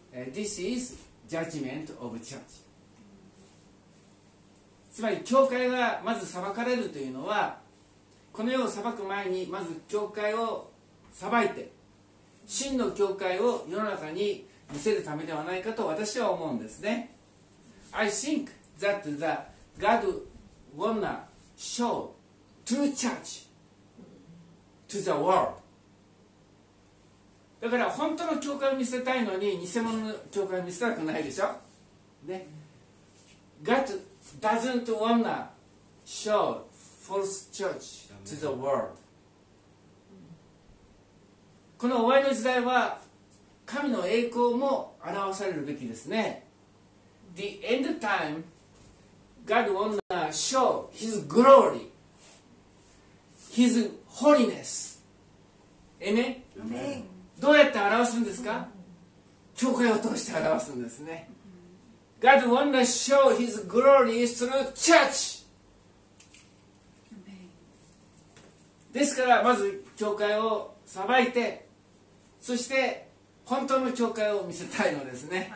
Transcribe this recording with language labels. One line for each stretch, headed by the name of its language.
English: This is judgment of church。
Japanese: つまり教会がまず裁かれるというのは、この世を裁く前にまず教会を裁いて、真の教会を世の中に見せるためではないかと私は思うんですね。
English: I think that the God wanna show true church to the world。
Japanese: だから本当の教会を見せたいのに偽物の教会を見せたくないでしょ、ね、
English: God doesn't wanna show false church to the world。
Japanese: この終わりの時代は神の栄光も表されるべきですね。
English: The end time, God wanna show His glory, His holiness. Amen? Amen.
Japanese: どうやって表すんですか？教会を通して表すんですね。
English: God wanna show His glory through church.
Japanese: ですから、まず教会を裁いて、そして本当の教会を見せたいのですね。